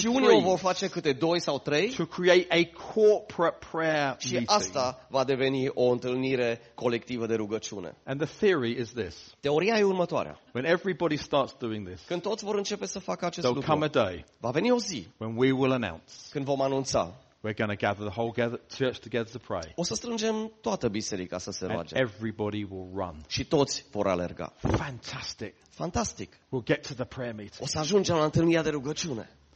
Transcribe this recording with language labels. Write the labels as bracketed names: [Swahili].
[Romanian] și unii o vor face câte doi sau trei. [English] To create a corporate prayer meeting. [Romanian] Și asta va deveni o întâlnire colectivă de rugăciune. [English] And the theory is this. [Romanian] Teoria e următoarea. [English] When everybody starts doing this, [Romanian] când toți vor începe să facă acest [English] lucru, come a day, [Romanian] va veni o zi, [English] when we will announce, [Romanian] când vom anunța, [English] we're going to gather the whole church together to pray. [Romanian] O să strângem toată biserica să se roage. [English] Everybody will run. [Romanian] Și toți vor alerga. [English] Fantastic. [Romanian] Fantastic. [English] We'll get to the prayer meeting. [Romanian] O să ajungem la întâlnirea de rugăciune.